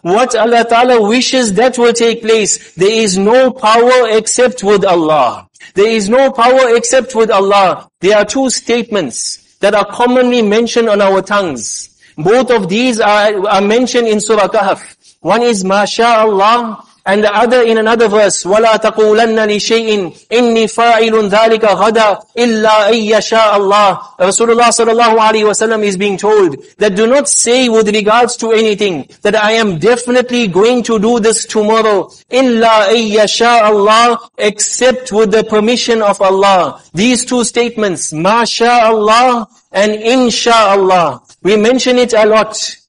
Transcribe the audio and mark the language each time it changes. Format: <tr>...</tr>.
<en>What Allah Ta'ala wishes, that will take place. There is no power except with Allah. There is no power except with Allah. There are two statements that are commonly mentioned on our tongues. Both of these are mentioned in Surah Kahf. One is</en> <ar>ما شاء الله,</ar> <en>and the other in another verse,</en> <ar>ولا تقولن لشيء إني فاعل ذلك غدا إلا أن يشاء الله.</ar> <en>Rasulullah sallallahu alaihi wasallam is being told that do not say with regards to anything that I am definitely going to do this tomorrow.</en> <ar>إلا أن يشاء الله,</ar> <en>except with the permission of Allah. These two statements, ما شاء الله and إن شاء الله, we mention it a lot.</en>